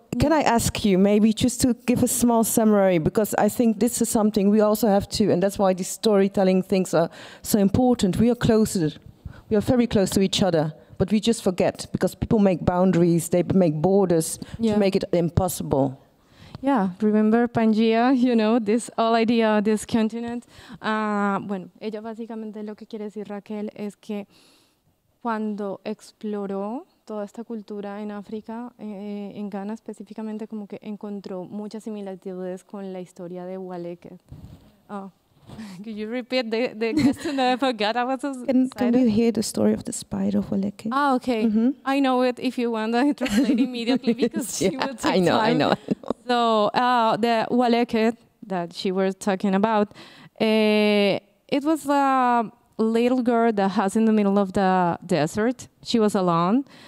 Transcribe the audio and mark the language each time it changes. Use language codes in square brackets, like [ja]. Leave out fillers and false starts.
[en] can I ask you maybe just to give a small summary, because I think this is something we also have to, and that's why these storytelling things are so important. We are closer, we are very close to each other, but we just forget because people make boundaries, they make borders yeah. to make it impossible. Yeah, remember Pangea, you know, this whole idea of this continent. [es] Bueno, ella básicamente lo que quiere decir, Raquel, es que cuando exploró toda esta cultura en África, en Ghana específicamente, como que encontró muchas similitudes con la historia de Waleke. [en] Oh, can you repeat the question that I forgot? I was can you hear the story of the spider of Waleke? Ah, okay. Mm-hmm. I know it if you want to translate immediately because yeah, she would take I know, time. I know. So the Waleke that she was talking about, it was a little girl that was in the middle of the desert. She was alone.